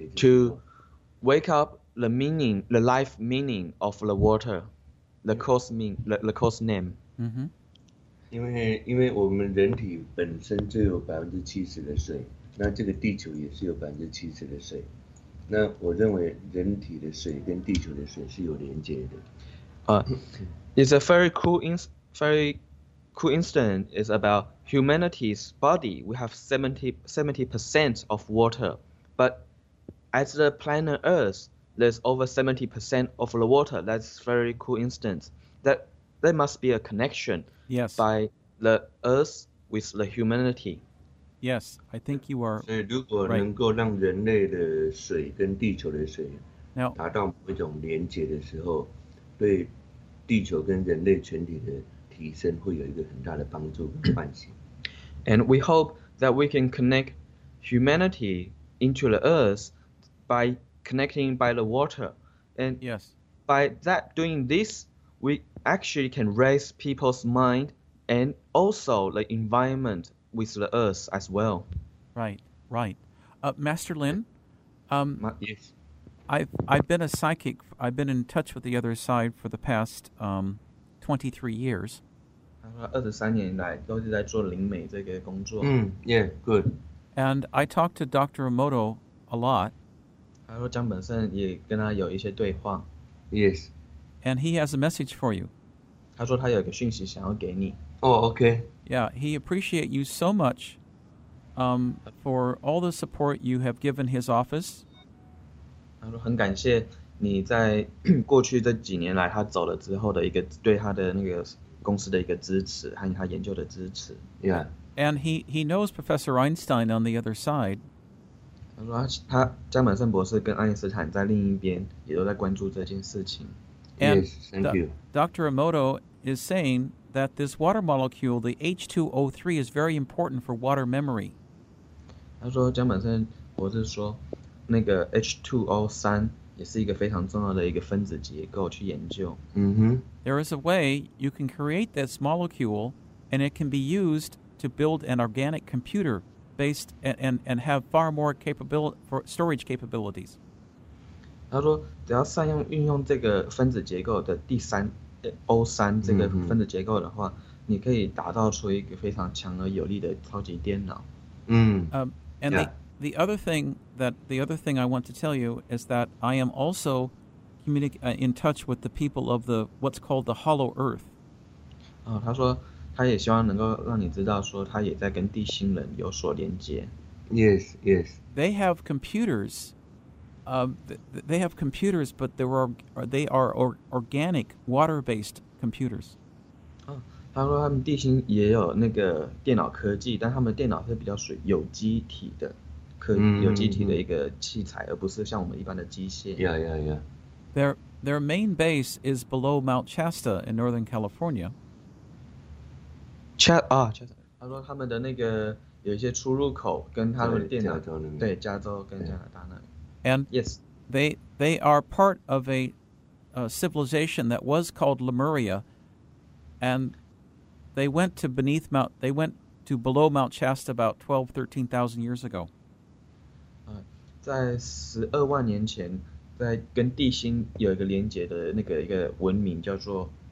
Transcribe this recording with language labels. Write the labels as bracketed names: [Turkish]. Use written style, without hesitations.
[English] To wake up the meaning, the life meaning of the water, the course, the course name. Mm-hmm. [Chinese] 因为我们人体本身就有70%的水，那这个地球也是有70%的水，那我认为人体的水跟地球的水是有连接的。 [English] It's a very cool very coincidence is about humanity's body. We have 70% of water, but at the planet Earth, there's over 70% of the water. That's very coincidence. That there must be a connection, yes, by the Earth with the humanity. Yes, I think you are [Chinese] right. 所以如果能够让人类的水跟地球的水达到某一种连结的时候，对地球跟人类全体的提升会有一个很大的帮助跟唤醒。 [English] And we hope that we can connect humanity into the Earth by connecting by the water. And yes, by that doing this, we actually can raise people's mind and also the environment. With the earth as well. Right, right. Master Lin? Yes. I've been a psychic. I've been in touch with the other side for the past 23 years. [Chinese] 23年来都是在做灵媒这个工作。 [English] Yeah, good. And I talk to Dr. Emoto a lot. [Chinese] 他说江本胜也跟他有一些对话。 [English] Yes. And he has a message for you. [Chinese] 他说他有一个讯息想要给你。 [English] Oh, okay. Yeah, he appreciates you so much for all the support you have given his office. [Chinese] 他说很感谢你在过去这几年来他走了之后的一个对他的那个公司的一个支持和他研究的支持。 [English] Yeah. And he knows Professor Einstein on the other side. [Chinese] 他说他加满森博士跟爱因斯坦在另一边也都在关注这件事情。 [English] Yes, thank you. Dr. Emoto is saying... that this water molecule, the H2O3, is very important for water memory. [Chinese] 他说江本森博士说，那个 H2O3 也是一个非常重要的一个分子结构去研究。 [English] There is a way you can create this molecule, and it can be used to build an organic computer based and have far more capability for storage capabilities. [Chinese] 他说只要善用运用这个分子结构的第三。 O3 这个分子结构的话、mm-hmm. 你可以打造出一个非常强而有力的超级电脑、 [English] And、yeah. the other thing I want to tell you is that I am also in touch with the people of the what's called the Hollow Earth、 [Chinese] 他说他也希望能够让你知道说他也在跟地心人有所连接 [English] Yes, yes They have computers、they have computers, but they are organic water-based computers. [Chinese] 他说他们地心也有那个电脑科技，但他们电脑是比较属于有机体的科有机体的一个器材，而不是像我们一般的机械。 [English] Yeah, yeah, yeah. Their main base is below Mount Shasta in Northern California. Shasta. [Chinese] 他说他们的那个有一些出入口跟他们的电脑对加州跟加拿大那里。 [English] And yes. they are part of a civilization that was called Lemuria, and they went to below Mount Shasta about 12,000-13,000 years ago. [Chinese] 在12万年前，在跟地心有一个连接的那个一个文明叫做